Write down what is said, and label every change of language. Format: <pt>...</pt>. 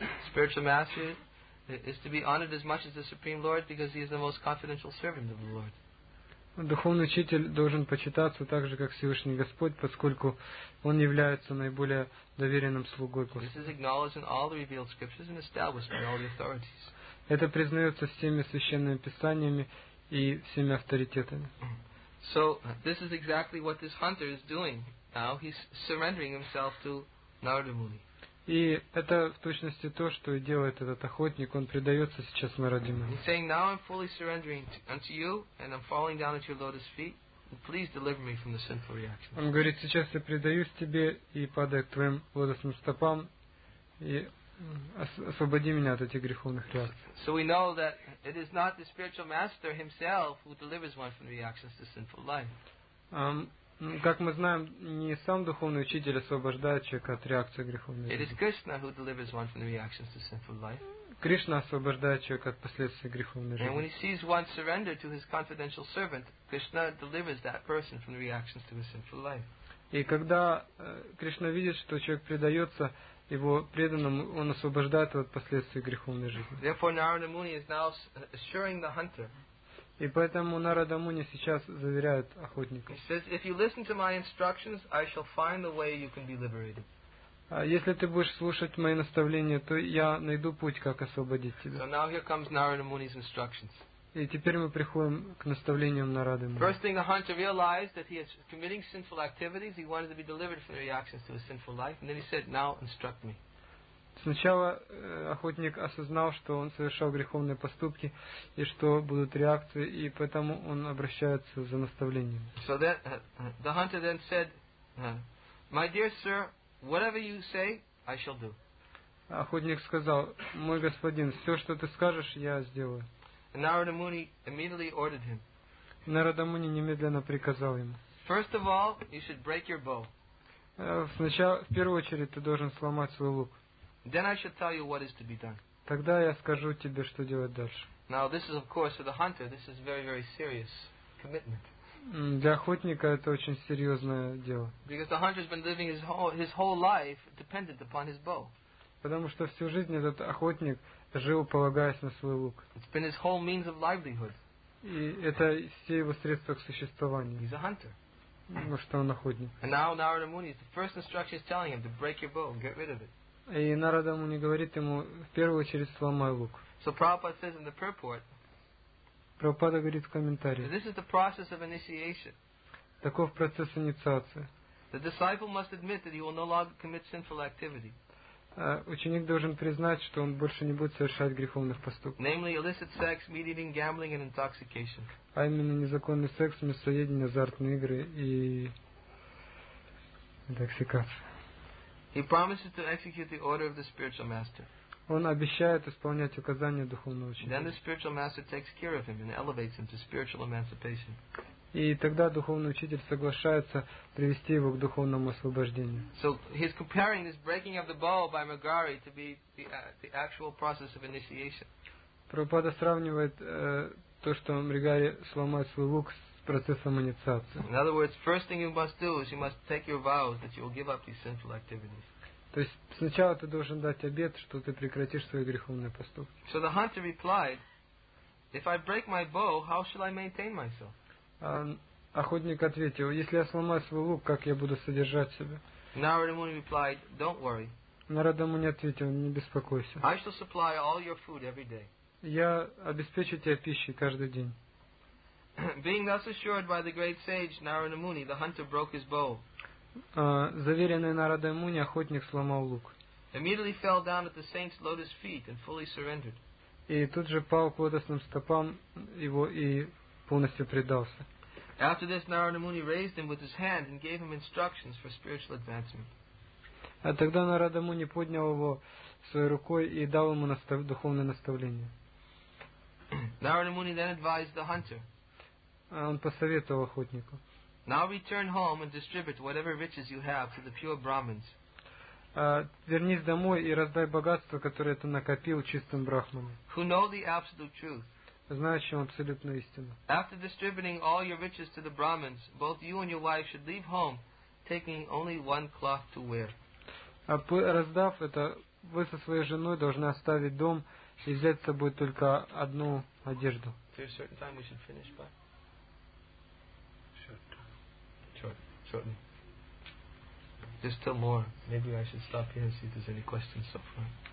<en>Spiritual Master is to be honored as much as the Supreme Lord because he is the most confidential servant of the Lord.</en> <ru>Духовный учитель должен почитаться так же, как Всевышний Господь, поскольку он является наиболее доверенным слугой Господа.</ru> <en>This is acknowledged in all the revealed scriptures and established by all the authorities.</en> <ru>Это признается всеми священными писаниями и всеми авторитетами.</ru> <en>So, this is exactly what this hunter is doing now. He's surrendering himself to Narada Muni.</en> <ru>И это в точности то, что и делает этот охотник. Он предается сейчас Нараде Муни.</ru> <en>He's saying, now I'm fully surrendering unto you, and I'm falling down at your lotus feet. Please deliver me from the sinful reaction.</en> <ru>Он говорит, сейчас я предаюсь тебе и падаю к твоим лотосным стопам, и освободи меня от этих греховных реакций.</ru> <en>So we know that it is not the spiritual master himself who delivers one from the reactions to sinful life.</en> <ru>Как мы знаем, не сам духовный учитель освобождает человека от реакции греховной жизни.</ru> <en>It is Krishna who delivers one from the reactions to sinful life.</en> <ru>Кришна освобождает человека от последствий греховной жизни.</ru> <en>And when he sees one surrender to his confidential servant, Krishna delivers that person from the reactions to his sinful life.</en> <ru>И когда Кришна видит, что человек предается его преданному, он освобождает его от последствий греховной жизни.</ru> <en>Therefore, Narada Muni is now assuring the hunter.</en> <ru>И поэтому Нарада Муни сейчас заверяет охотника.</ru> <en>He says, if you listen to my instructions, I shall find the way you can be liberated.</en> <ru>Если ты будешь слушать мои наставления, то я найду путь, как освободить тебя.</ru> <en>So now here comes Narada Muni's instructions.</en> <ru>И теперь мы приходим к наставлениям Нарады Муни.</ru> <en>First thing the hunter realized that he is committing sinful activities. He wanted to be delivered from the reactions to his sinful life. And then he said, now instruct me.</en> <ru>Сначала охотник осознал, что он совершал греховные поступки и что будут реакции, и поэтому он обращается за наставлением.</ru> <en>So that, the hunter then said, my dear sir, whatever you say, I shall do.</en> <ru>Охотник сказал: "Мой господин, все, что ты скажешь, я сделаю."</ru> <en>And Narada Muni immediately ordered him.</en> <ru>Нарада Муни немедленно приказал ему.</ru> <en>First of all, you should break your bow.</en> <ru>Сначала, в первую очередь, ты должен сломать свой лук.</ru> <en>Then I should tell you what is to be done.</en> <ru>Тогда я скажу тебе, что делать дальше.</ru> <en>Now this is, of course, for the hunter. This is very, very serious commitment.</en> <ru>Для охотника это очень серьезное дело.</ru> <en>Because the hunter has been living his whole life dependent upon his bow.</en> <ru>Потому что всю жизнь этот охотник жил, полагаясь на свой лук.</ru> <en>It's been his whole means of livelihood.</en> <ru>И это все его средства к существованию.</ru> <en>He's a hunter.</en> <ru>Ну что он охотник.</ru> <en>And now Narada Muni, the first instruction is telling him to break your bow, get rid of it.</en> <ru>И Нарада Муни говорит ему: в первую очередь сломай лук.</ru> <en>So Prabhupada says in the purport.</en> <ru>Прабхупада говорит в комментарии.</ru> <en>This is the process of initiation.</en> <ru>Таков процесс инициации.</ru> <en>The disciple must admit that he will no longer commit sinful activity.</en> <ru>Ученик должен признать, что он больше не будет совершать греховных поступков.</ru> <en>Namely, illicit sex, meat eating, gambling, and intoxication.</en> <ru>А именно незаконный секс, мясоедение, азартные игры и интоксикация.</ru> <en>He promises to execute the order of the spiritual master.</en> <ru>Он обещает исполнять указания духовного учителя.</ru> <en>Then the spiritual master takes care of him and elevates him to spiritual emancipation.</en> <ru>И тогда духовный учитель соглашается привести его к духовному освобождению.</ru> <en>So he's comparing this breaking of the bow by Magari to be the actual process of initiation.</en> <ru>Прабхупада сравнивает то, что Магари сломает свой лук, с процессом инициации.</ru> <en>In other words, first thing you must do is you must take your vows that you will give up these sinful activities.</en> <ru>То есть сначала ты должен дать обет, что ты прекратишь свои греховные поступки.</ru> <en>So the hunter replied, if I break my bow, how shall I maintain myself?</en> <ru>Охотник ответил: если я сломаю свой лук, как я буду содержать себя?</ru> <en>Narada Muni replied, don't worry.</en> <ru>Нарада Муни ответил: не беспокойся.</ru> <en>I shall supply all your food every day.</en> <ru>Я обеспечу тебя пищей каждый день.</ru> <en>Being thus assured by the great sage Narada Muni, the hunter broke his bow.</en> <ru>Заверенный Нарадой Муни, охотник сломал лук.</ru> <en>Immediately fell down at the saint's lotus feet and fully surrendered.</en> <ru>И тут же пал к лотосным стопам его и полностью предался.</ru> <en>After this, Narada Muni raised him with his hand and gave him instructions for spiritual advancement.</en> <ru>А тогда Нарада Муни поднял его своей рукой и дал ему духовное наставление.</ru> <en>Narada Muni then advised the hunter.</en> <ru>Он посоветовал охотнику.</ru> <en>Now return home and distribute whatever riches you have to the pure Brahmins.</en> <ru>Вернись домой и раздай богатство, которое ты накопил, чистым брахманам.</ru> <en>Who know the absolute truth.</en> <ru>Знающим абсолютную истину.</ru> <en>After distributing all your riches to the Brahmins, both you and your wife should leave home, taking only one cloth to wear.</en> <ru>Раздав это, вы со своей женой должны оставить дом и взять с собой только одну одежду.</ru> <en>There's a certain time we should finish by. Shortly. There's still more. Maybe I should stop here and see if there's any questions so far.</en>